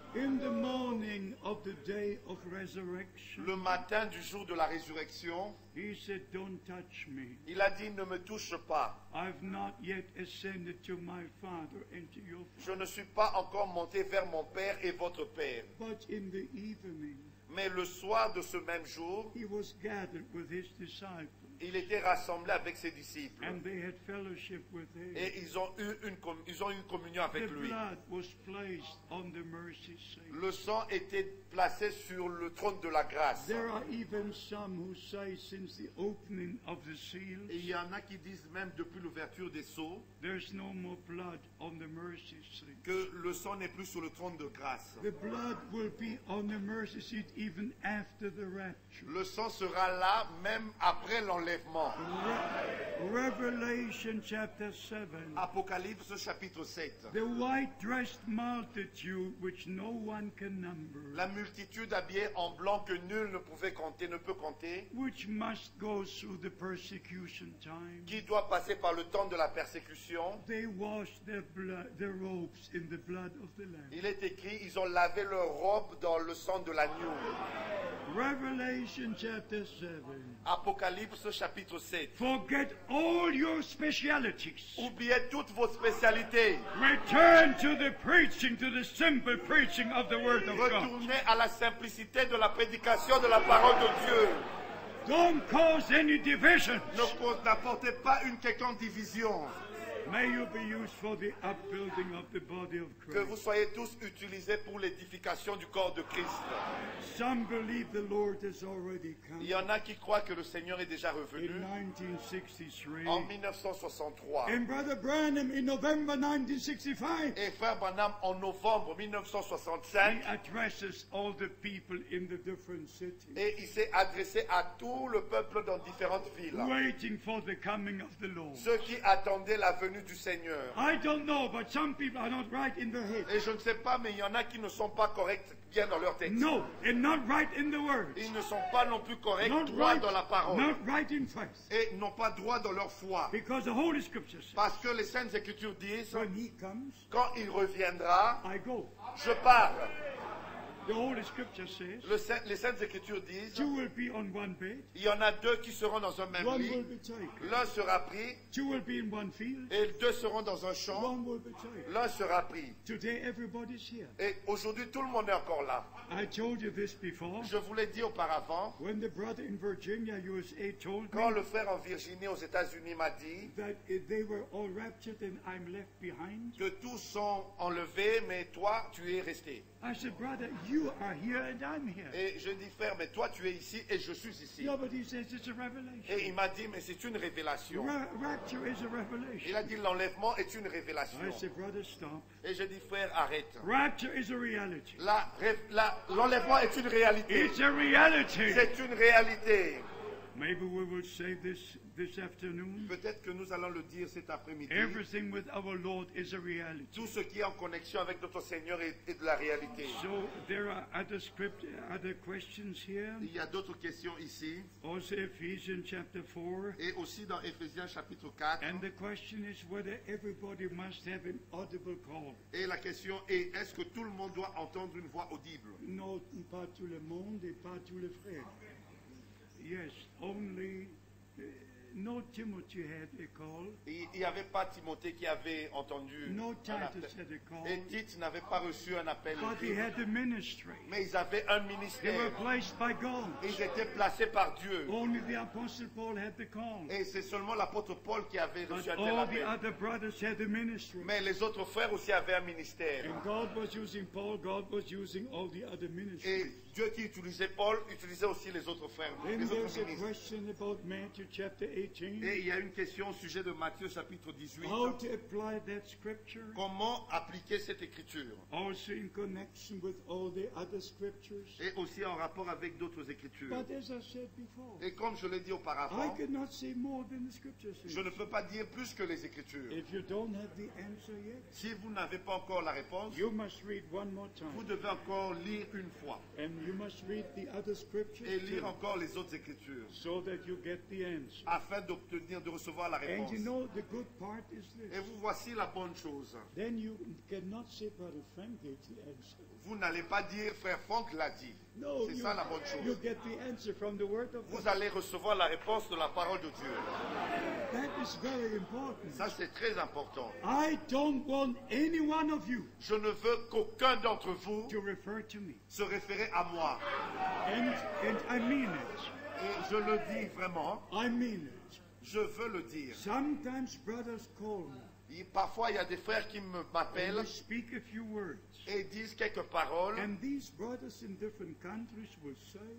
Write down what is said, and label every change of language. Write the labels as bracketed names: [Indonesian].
[English] In the morning of the day of resurrection. [French] Le matin du jour de la résurrection. [English] He said, "Don't touch me." [French] Il a dit, ne me touche pas. [English] I've not yet ascended to my Father and to your Father. [French] Je ne suis pas encore monté vers mon Père et votre Père. [English] But in the evening, [French] mais le soir de ce même jour, [English] he was gathered with his disciples. [French] Il était rassemblé avec ses disciples. [English] And they had fellowship with him. [French] Et ils ont eu communion avec [English] the [French] lui. [English] Blood was placed on the mercy seat. [French] Le sang était placé sur le trône de la grâce. [English] There are even some who say since the opening of the seals, [French] et il y en a qui disent même depuis l'ouverture des sceaux, [English] there's no more blood on the mercy seat. [French] Que le sang n'est plus sur le trône de grâce. [English] The blood will be on the mercy seat even after the rapture. [French] Le sang sera là même après l'enlèvement. [English] Revelation chapter 7. [French] Apocalypse chapitre 7. [English] The white dressed multitude which no one can number. [French] La multitude habillée en blanc que nul ne pouvait compter, ne peut compter. [English] Which must go through the persecution time. [French] Qui doit passer par le temps de la persécution. [English] They wash their robes in the blood of the lamb. [French] Il est écrit, ils ont lavé leurs robes dans le sang de l'agneau. [English] Revelation chapter 7. [French] Apocalypse chapitre 7. [English] Forget all your specialities. [French] Oubliez toutes vos spécialités. [English] Return to the preaching, to the simple preaching of the word of God. [French] Retournez à la simplicité de la prédication de la parole de Dieu. [English] Don't cause any divisions. [French] N'apportez pas une quelconque division. [English] May you be used for the upbuilding of the body of Christ. [French] Que vous soyez tous utilisés pour l'édification du corps de Christ. [English] Some believe the Lord has already come. [French] Il y en a qui croient que le Seigneur est déjà revenu. [English] In 1963. [French] En 1963. [English] And Brother Branham in November 1965. [French] Et Frère Branham en novembre 1965. [English] He addresses all the people in the different cities. [French] Et il s'est adressé à tout le peuple dans différentes villes. [English] Waiting for the coming of the Lord. [French] Ceux qui attendaient la venue du Seigneur. [English] I don't know, but some people are not right in their head. [French] Et je ne sais pas, mais il y en a qui ne sont pas corrects bien dans leur tête. [English] No, and not right in the words. [French] Ils ne sont pas non plus corrects [English] not [French] droit [English] right, [French] dans la parole. [English] Not right in faith. [French] Et n'ont pas droit dans leur foi. [English] Because the Holy Scripture says, [French] parce que les Saintes Écritures disent, [English] when he comes, [French] quand il reviendra, [English] I go. [French] Je pars. [English] The Holy Scripture says, [French] les Saintes Écritures disent, [English] two will be on one bed, [French] il y en a deux qui seront dans un même [English] one [French] lit, [English] will be taken, [French] l'un sera pris, [English] two will be in one field, [French] et deux seront dans un champ, [English] one will be taken, [French] l'un sera pris. [English] Today everybody's here. [French] Et aujourd'hui, tout le monde est encore là. [English] I told you this before, [French] je vous l'ai dit auparavant, [English] when the brother in Virginia, USA, told me, [French] quand le frère en Virginie aux États-Unis m'a dit [English] that they were all raptured and I'm left behind, [French] que tous sont enlevés, mais toi, tu es resté. [English] I said, brother, you are here and I'm here. [French] Et je dis, frère, mais toi tu es ici et je suis ici. [English] No, but he says it's a revelation. [French] Et il m'a dit, mais c'est une révélation. [English] Rapture is a revelation. [French] Il a dit, l'enlèvement est une révélation. [English] I said, brother, stop. [French] Et je dis, frère, arrête. [English] Rapture is a reality. [French] L'enlèvement est une réalité. [English] It's a reality. [French] C'est une réalité. [English] Maybe we will say this afternoon. [French] Peut-être que nous allons le dire cet après-midi. [English] Everything with our Lord is a reality. [French] Tout ce qui est en connexion avec notre Seigneur est de la réalité. [English] So there are other questions here. [French] Il y a d'autres questions ici. [English] Also Ephesians chapter 4. [French] Et aussi dans Ephésiens chapitre 4. [English] And the question is whether everybody must have an audible call. [French] Et la question est, est-ce que tout le monde doit entendre une voix audible? Non, pas tout le monde et pas tous les frères. [English] Yes, only No, Timothy had a call. [French] Il n'y avait pas Timothée qui avait entendu [English] no, Titus had a call. [French] Et Tite n'avait pas reçu un appel. [English] But he had a ministry. [French] Mais ils avaient un ministère. [English] They were placed by God. [French] Ils étaient placés par Dieu. [English] Only the Apostle Paul had the call. [French] Et c'est seulement l'apôtre Paul qui avait [English] But [French] reçu un [English] all [French] tel [English] the [French] appel. [English] Other brothers had a ministry. [French] Mais les autres frères aussi avaient un ministère. [English] And God was using Paul, God was using all the other ministries. [French] Et Dieu qui utilisait Paul utilisait aussi les autres frères, [English] Then [French] les autres ministres. [English] A question about Matthew chapter 18. [French] Et il y a une question au sujet de Matthieu chapitre 18. [English] How to apply that scripture? [French] Comment appliquer cette écriture? [English] Also in connection with all the other scriptures. [French] Et aussi en rapport avec d'autres écritures. [English] But as I said before, [French] et comme je l'ai dit auparavant, [English] I cannot say more than the scriptures. [French] Je ne peux pas dire plus que les écritures. [English] If you don't have the answer yet, [French] si vous n'avez pas encore la réponse, [English] you must read one more time. [French] Vous devez encore lire une fois. [English] And you must read the other scriptures [French] et lire encore les autres écritures [English] so that you get the answer. [French] Afin d'obtenir, de recevoir la réponse. [English] And you know, the good part is this. [French] Et vous voici la bonne chose. [English] Then you cannot say, Brother Frank gave the answer. [French] Vous n'allez pas dire Frère Frank l'a dit. [English] No, [French] c'est ça la bonne chose. [English] You get the answer from the word of [French] vous allez recevoir la réponse de la parole de Dieu. [English] That is very important. [French] Ça c'est très important. [English] I don't want any one of you [French] je ne veux qu'aucun d'entre vous [English] to refer to me. [French] Se référer à moi. [English] And I mean it. [French] Et je le dis vraiment. [English] I mean it. [French] Je veux le dire. [English] Sometimes brothers call me. [French] Et parfois, il y a des frères qui m'appellent [English] and they speak a few words. [French] Et disent quelques paroles. [English] And these brothers in different countries will say,